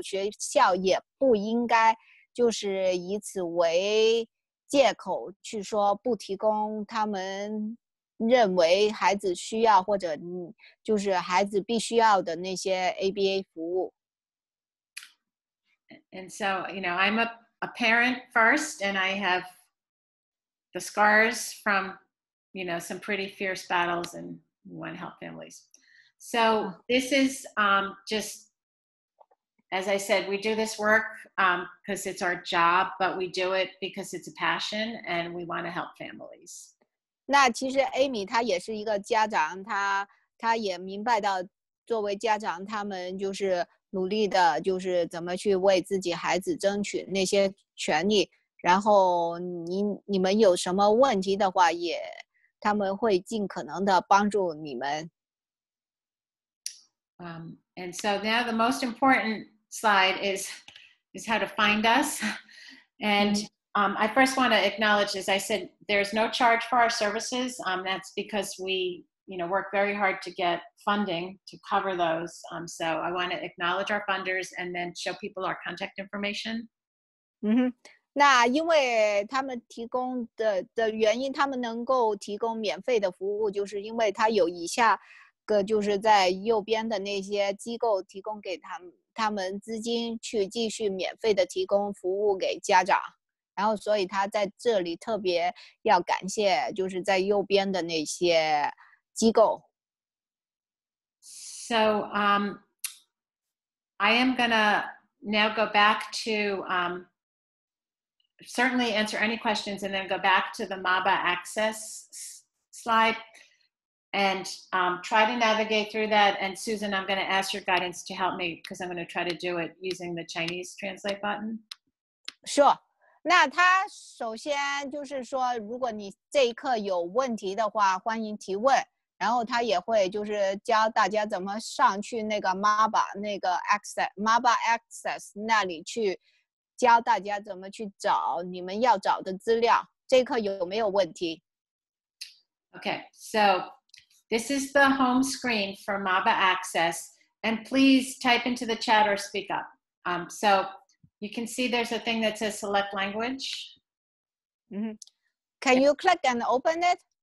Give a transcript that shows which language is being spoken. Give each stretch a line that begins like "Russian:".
Chinese: 学校也不应该就是以此为借口去说不提供他们认为孩子需要或者就是孩子必须要的那些 ABA 服务。
English: And so, you know, I'm a parent first, and I haveThe scars from, you know, some pretty fierce battles and want to help families. So this is just, as I said, we do this work because it's our job, but we do it because it's a passion and we want to help families.
Chinese: 那其实 Amy 她也是一个家长，她也明白到作为家长他们就是努力的就是怎么去为自己孩子争取那些权利。然后你们有什么问题的话，也他们会尽可能的帮助你们。
English: And so now the most important slide is how to find us. And I first want to acknowledge, as I said, there's no charge for our services. That's because we, you know, work very hard to get funding to cover those. So I want to acknowledge our funders and then show people our contact information.
Chinese: 那因为他们提供 的原因，他们能够提供免费的服务，就是因为他有以下个，就是在右边的那些机构提供给他们资金去继续免费的提供服务给家长，然后所以他在这里特别要感谢就是在右边的那些机构。
English: So I am gonna now go back to certainly answer any questions and then go back to the MABA access slide and try to navigate through that. And Susan, I'm going to ask your guidance to help me because I'm going to try to do it using the Chinese translate button. Sure.
Chinese: 那他首先就是说，如果你这一刻有问题的话，欢迎提问。然后他也会就是教大家怎么上去那个 MABA 那个 access MABA access 那里去。教大家怎么去找你们要找的资料，这一课有没有问题？
English: Okay, so this is the home screen for MABA Access, and please type into the chat or speak up. So you can see there's a thing that says select language. Can you click and open it?